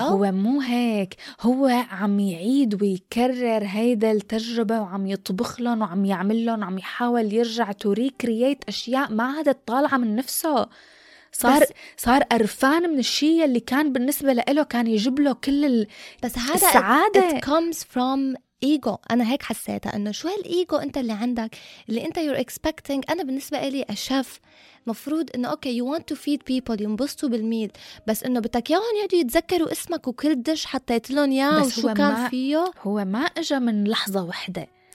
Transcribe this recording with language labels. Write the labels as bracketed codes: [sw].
[ar] هو مو هيك، هو عم يعيد ويكرر هيدا التجربه وعم يطبخ لهم وعم يعمل لهم وعم يحاول يرجع [en] to recreate [ar] اشياء ما عادت طالعه من نفسه، صار قرفان من الشيء اللي كان بالنسبة لإله كان يجيب له كل السعادة. بس هذا [en] it comes from ego. [ar] أنا هيك حسيتها أنه شو هالإيجو أنت اللي عندك اللي أنت [en] you're expecting. [ar] أنا بالنسبة إلي أشف مفروض أنه أوكي [en] you want to feed people [ar] ينبسطوا بالميل، بس أنه بدك ياهم يعدوا يتذكروا اسمك وكل دش حطيت لهم ياه وشو كان فيه. هو ما أجا من لحظة واحدة،